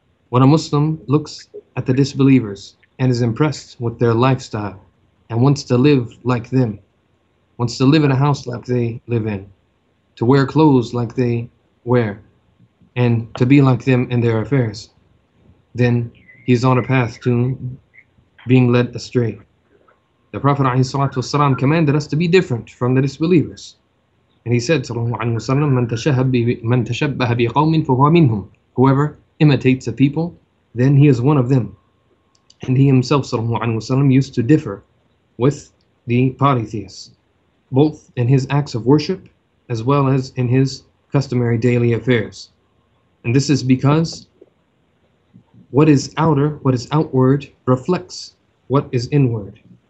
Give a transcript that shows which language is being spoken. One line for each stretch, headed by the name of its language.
English: When a Muslim looks at the disbelievers and is impressed with their lifestyle and wants to live like them, wants to live in a house like they live in, to wear clothes like they wear, and to be like them in their affairs, then he's on a path to being led astray. The Prophet ﷺ commanded us to be different from the disbelievers. And he said,
Arabic: مَنْ تَشَبَّهَ بِقَوْمٍ فَهُوَ مِنْهُمْ.
English: Whoever imitates a people, then he is one of them. And he himself, ﷺ, used to differ with the polytheists, both in his acts of worship as well as in his customary daily affairs. And this is because what is outer, what is outward, reflects what is inward.